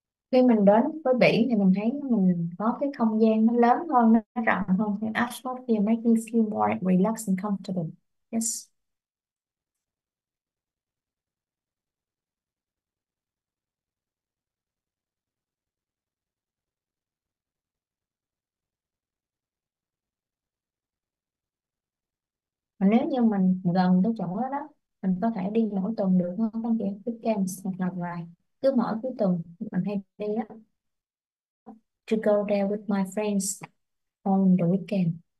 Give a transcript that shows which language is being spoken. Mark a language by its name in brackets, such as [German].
[Vietnamese] Khi mình đến với biển thì mình thấy mình có cái không gian nó lớn hơn, nó rộng hơn. [English] Cái atmosphere make me feel more relaxed and comfortable. Yes. [Vietnamese] Mà nếu như mình gần tới chỗ đó, đó mình có thể đi mỗi tuần được không anh chị? Cứ camp hoặc là ngoài cứ mỗi cuối tuần mình hay đi đó. [English] Go there with my friends on the weekend.